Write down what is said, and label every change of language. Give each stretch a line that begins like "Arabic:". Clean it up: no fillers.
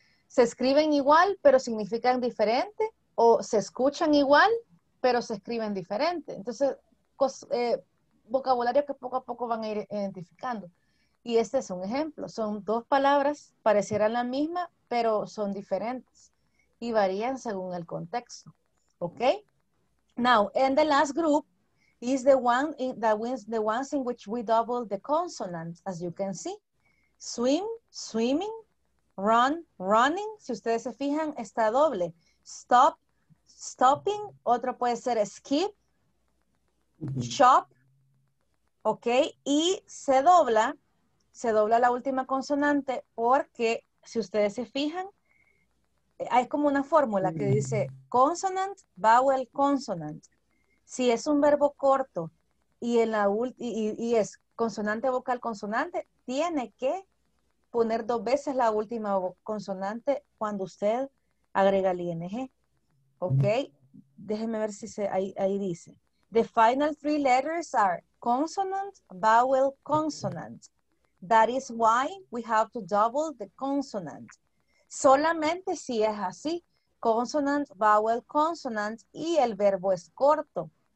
Spanish: Se escriben igual, pero significan diferente, o se escuchan igual, pero se escriben diferente. Entonces, vocabulario que poco a poco van a ir identificando. Y este es un ejemplo. Son dos palabras, parecieran la misma, pero son diferentes y varían según el contexto. ¿Ok?
English: Now, and the last group is the one the ones in which we double the consonants, as you can see. Swim, swimming, run, running.
Spanish: Si ustedes se fijan, está doble. Stop, stopping, otro puede ser skip, shop, ok, y se dobla la última consonante porque, si ustedes se fijan, hay como una fórmula que dice
English: consonant, vowel, consonant.
Spanish: Si es un verbo corto y en la y es consonante, vocal, consonante, tiene que poner dos veces la última consonante cuando usted agrega el ing.
English: Ok,
Spanish: déjeme ver si ahí dice.
English: The final three letters are consonant, vowel, consonant. That is why we have to double the consonant.
Spanish: Solamente si es así,
English: consonant, vowel, consonant,
Spanish: y el verbo es corto.